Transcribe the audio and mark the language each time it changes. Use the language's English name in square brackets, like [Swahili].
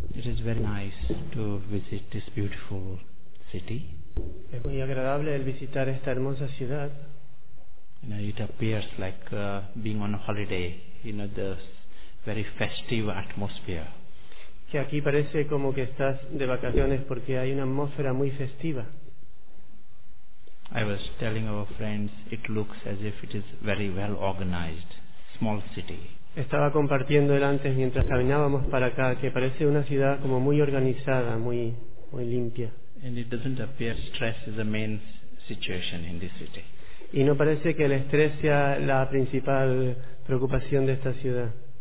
[English] it is very nice to visit this beautiful city. [Spanish] Es muy agradable el visitar esta hermosa ciudad. [English] You know, it appears like being on a holiday. You know, the very festive atmosphere. [Spanish] Que aquí parece como que estás de vacaciones porque hay una atmósfera muy festiva. [English] I was telling our friends, it looks as if it is very well organized, small city. [Spanish] Estaba compartiendo el antes mientras caminábamos para acá que parece una ciudad como muy organizada, muy limpia. [English] And it doesn't appear stress is the main situation in this city. [Spanish] Y no parece que el estrés sea la principal preocupación de esta ciudad.